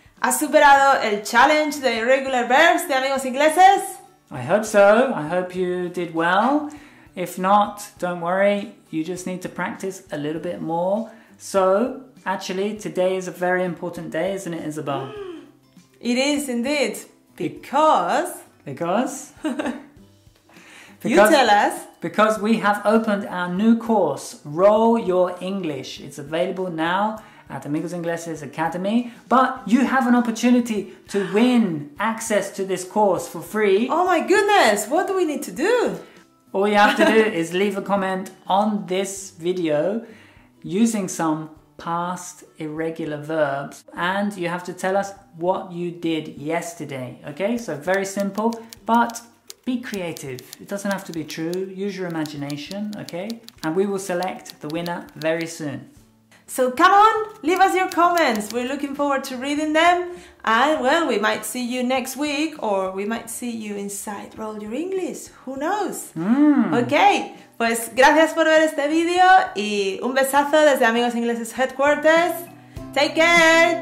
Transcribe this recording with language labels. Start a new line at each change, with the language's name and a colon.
Spanish: ¿Has superado el challenge de
English: irregular verbs
Spanish: de amigos ingleses?
English: I hope so. I hope you did well. If not, don't worry. You just need to practice a little bit more. So, actually, today is a very important day, isn't it, Isabel? It is indeed. Because? Because? Because, you tell us. Because we have opened our new course, Roll Your English. It's available now at Amigos Ingleses Academy. But you have an opportunity to win access to this course for free. Oh my goodness, what do we need to do? All you have to do is leave a comment on this video using some past irregular verbs. And you have to tell us what you did yesterday, okay? So very simple, but be creative. It doesn't have to be true. Use your imagination, okay? And we will select the winner very soon. So come on, leave us your comments. We're looking forward to reading them. And well, we might see you next week, or we might see you inside Roll Your English. Who knows?
Spanish: Okay, pues gracias por ver este video y un besazo desde Amigos Ingleses Headquarters.
English: Take care.